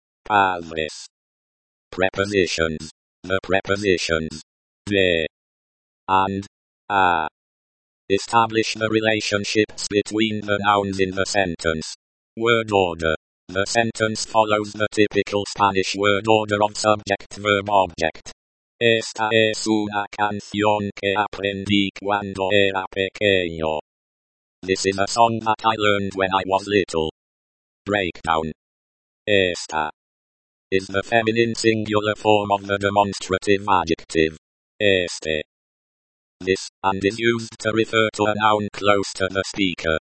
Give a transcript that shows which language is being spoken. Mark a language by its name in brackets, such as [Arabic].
[English] Padres. Prepositions. The prepositions. De. And. A. Establish the relationships between the nouns in the sentence. Word order. The sentence follows the typical Spanish word order of subject verb object. [Spanish] Esta es una canción que aprendí cuando era pequeño. [English] This is a song that I learned when I was little. Breakdown. Esta is the feminine singular form of the demonstrative adjective. Este. This, and is used to refer to a noun close to the speaker.